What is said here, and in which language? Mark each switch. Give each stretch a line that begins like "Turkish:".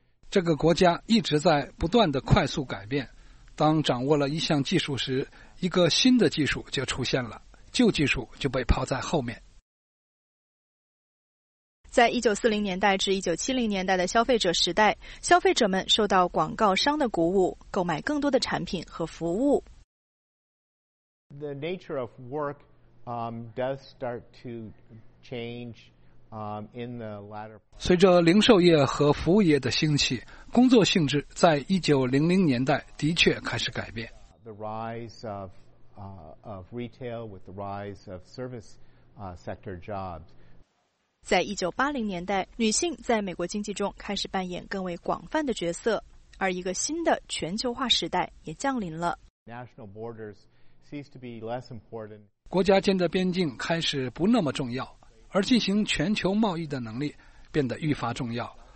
Chinese: 这个国家一直在不断的快速改变，当掌握了一项技术时，一个新的技术就出现了，旧技术就被抛在后面。在1940年代至1970年代的消费者时代，消费者们受到广告商的鼓舞，购买更多的产品和服务。
English: The nature of work does start to change in the latter.
Chinese: 随着零售业和服务业的兴起，工作性质在1900年代的确开始改变。
English: The rise of retail with the rise of service sector jobs.
Chinese: 在1980年代，女性在美国经济中开始扮演更为广泛的角色，而一个新的全球化时代也降临了。
English: National borders. Cease to be less important.
Chinese: 国家间的边境开始不那么重要，而进行全球贸易的能力变得愈发重要。